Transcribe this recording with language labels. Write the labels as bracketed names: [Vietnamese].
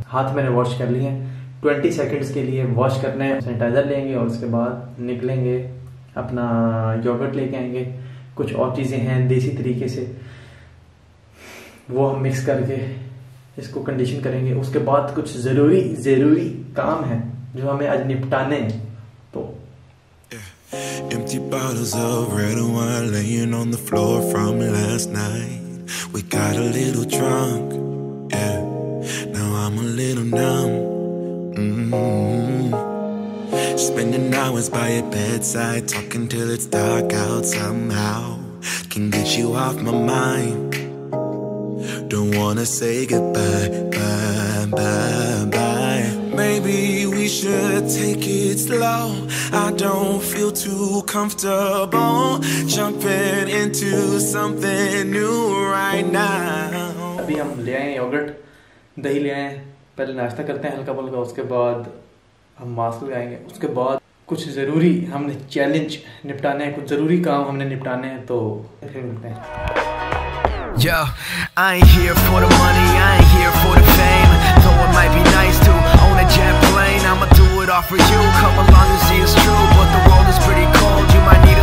[Hindi] हाथ मैंने वॉश कर लिए हैं, 20 सेकंड्स के लिए वॉश करने हैं, सैनिटाइजर लेंगे और उसके बाद निकलेंगे, अपना योगर्ट लेके आएंगे, कुछ और चीज़ें हैं देसी तरीके से वो हम मिक्स करके इसको कंडीशन करेंगे। उसके बाद कुछ ज़रूरी ज़रूरी काम है जो हमें आज निपटाने हैं। [English] Empty bottles of red wine laying on the floor from last night. We got a little drunk, yeah. Now I'm a little numb. Spending hours by your bedside, talking till it's dark out. Somehow can get you off my mind. Don't wanna say goodbye, bye, bye, bye. Maybe we should take it slow. I don't feel too comfortable jumping into something new right now. [Hindi] अभी हम ले आए yogurt, दही ले आए, पहले नाश्ता करते हैं हल्का फुल्का, उसके बाद हम मास्क लगाएंगे, उसके बाद कुछ जरूरी हमने चैलेंज निपटाने हैं, कुछ जरूरी काम हमने निपटाने हैं, तो फिर मिलते हैं। [English] Yo, I ain't here for the money, I ain't here for the fame. Though it might be nice to own a jet plane, I'ma do it all for you. Come along and see it's true, but the world is pretty cold. You might.